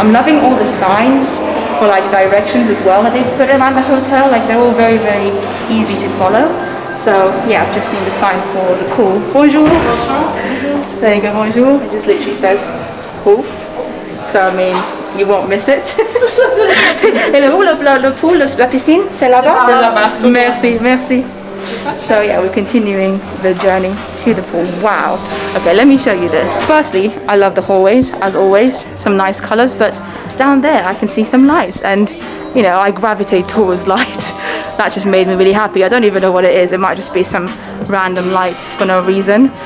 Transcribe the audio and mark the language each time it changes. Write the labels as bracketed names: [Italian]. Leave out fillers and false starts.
[English] I'm loving all the signs for like directions as well that they've put around the hotel. Like they're all very, very easy to follow. So yeah, I've just seen the sign for the pool. [French] Bonjour. Bonjour. [English] There you go, bonjour. It just literally says pool. So I mean, you won't miss it. [French] Et le pool, la piscine, c'est là-bas? C'est là-bas. Merci, merci. [English] So yeah, we're continuing the journey to the pool. Wow. Okay, let me show you this. Firstly, I love the hallways, as always. Some nice colors, but down there I can see some lights. And, you know, I gravitate towards light. That just made me really happy. I don't even know what it is. It might just be some random lights for no reason.